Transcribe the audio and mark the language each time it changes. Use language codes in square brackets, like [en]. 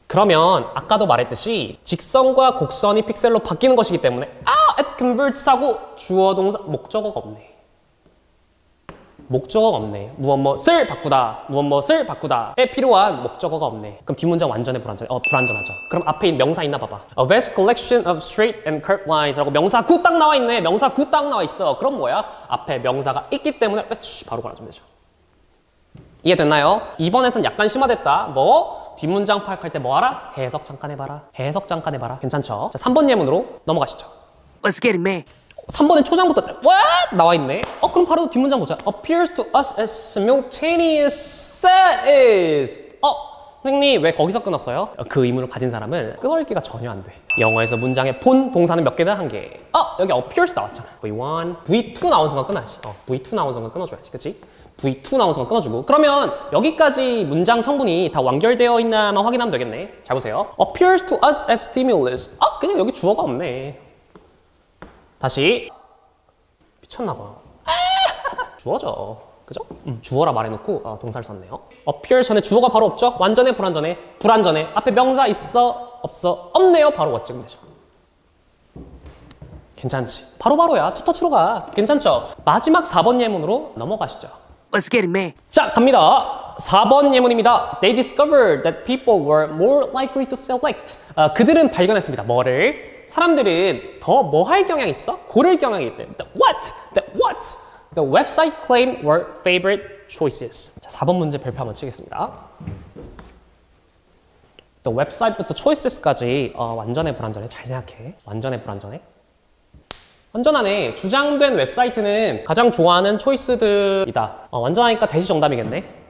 [ko] 그러면 아까도 말했듯이 직선과 곡선이 픽셀로 바뀌는 것이기 때문에 [en] it converts [ko] 하고 주어, 동사, 목적어가 없네. 목적어가 없네. 무엇을 바꾸다. 무엇을 바꾸다에 필요한 목적어가 없네. 그럼 뒷 문장 완전히 불안전해. 불안전하죠. 그럼 앞에 있는 명사 있나 봐봐. [en] A vast collection of straight and curved lines라고 [ko] 명사 구 딱 나와 있네. 명사 구 딱 나와 있어. 그럼 뭐야? 앞에 명사가 있기 때문에 바로 가라앉으면 되죠. 이해됐나요? 이번에선 약간 심화됐다. 뭐? 뒷문장 파악할 때 뭐하라? 해석 잠깐 해봐라. 해석 잠깐 해봐라. 괜찮죠? 자, 3번 예문으로 넘어가시죠. [en] Let's get it, man. [ko] 3번에 초장부터 [en] What? [ko] 나와있네. 그럼 바로 뒷문장 보자. [en] Appears to us as simultaneous is. [ko] 선생님 왜 거기서 끊었어요? 그 의문을 가진 사람은 끊을 기가 전혀 안 돼. 영어에서 문장의 본 동사는 몇 개다? 1개. 여기 appears 나왔잖아. V1, V2 나온 순간 끊어야지. V2 나온 순간 끊어줘야지. 그치? V2 나온 순간 끊어주고. 그러면 여기까지 문장 성분이 다 완결되어 있나만 확인하면 되겠네. 잘 보세요. [en] Appears to us as stimulus. [ko] 그냥 여기 주어가 없네. 다시. 미쳤나봐. 주어죠. 그죠? 주어라 말해놓고 동사를 썼네요. Appears 전에 주어가 바로 없죠? 완전해? 불완전해? 불완전해. 앞에 명사 있어? 없어? 없네요. 바로 왔지면 되죠. 괜찮지? 바로바로야. 투터치로 가. 괜찮죠? 마지막 4번 예문으로 넘어가시죠. [en] Let's get it, man. [ko] 자, 갑니다. 4번 예문입니다. [en] They discovered that people were more likely to select. [ko] 그들은 발견했습니다. 뭐를? 사람들은 더 뭐 할 경향이 있어? 고를 경향이 있대. [en] What? The website claimed were favorite choices. [ko] 자, 4번 문제 별표 한번 치겠습니다. The website부터 choices까지 완전해, 불완전해. 잘 생각해. 완전해, 불완전해. 완전하네. 주장된 웹사이트는 가장 좋아하는 초이스들이다. 완전하니까 대시 정답이겠네.